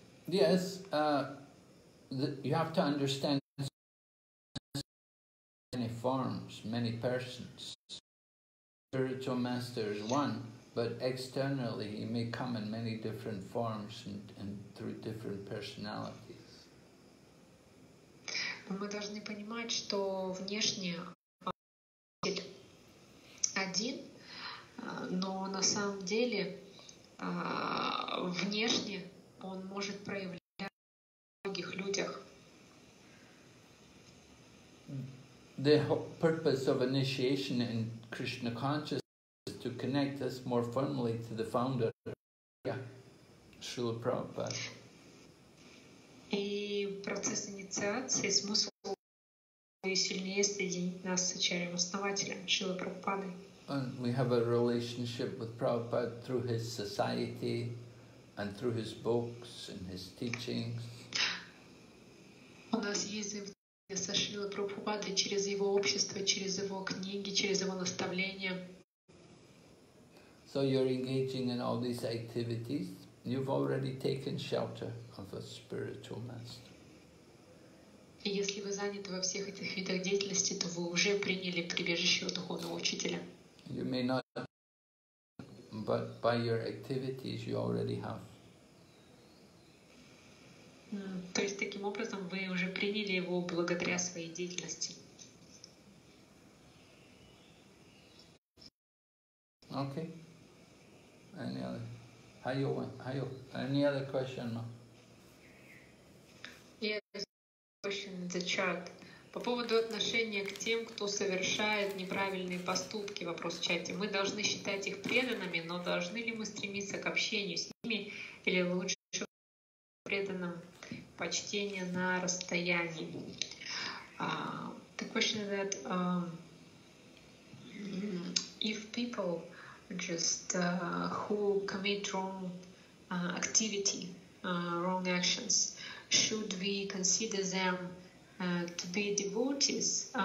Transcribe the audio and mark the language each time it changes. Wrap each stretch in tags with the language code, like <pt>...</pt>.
<en>Yes, you have to understand many forms, many persons. Spiritual master is one, but externally he may come in many different forms and through different personalities.</en> <ru>Мы должны понимать, что внешне один, но на самом деле внешне он может проявляться в многих людях.</ru> <en>The purpose of initiation in Krishna consciousness is to connect us more firmly to the founder, Srila Prabhupada.</en> <ru>И процесс инициации, смысл сильнее соединить нас с Ачарьем Основателем, Шрила Прабхупадой.</ru> <en>And we have a relationship with Prabhupada through his society, and through his books and his teachings.</en> <ru>У нас есть со Шрилой Прабхупадой через его общество, через его книги, через его наставления.</ru> <en>So you're engaging in all these activities. You've already taken shelter of a spiritual master.</en> <ru>И если вы заняты во всех этих видах деятельности, то вы уже приняли прибежище у духовного учителя.</ru> <en>You may not, but by your activities you already have.</en> <ru>То есть таким образом вы уже приняли его благодаря своей деятельности.</ru> <en>Okay. Any other question? Yes, question in the chat.</en> <ru>По поводу отношения к тем, кто совершает неправильные поступки, вопрос в чате. Мы должны считать их преданными, но должны ли мы стремиться к общению с ними или лучше преданном почтение на расстоянии.</ru> <en>The question is that if people just who commit wrong activity, wrong actions, should we consider them to be devotees?</en>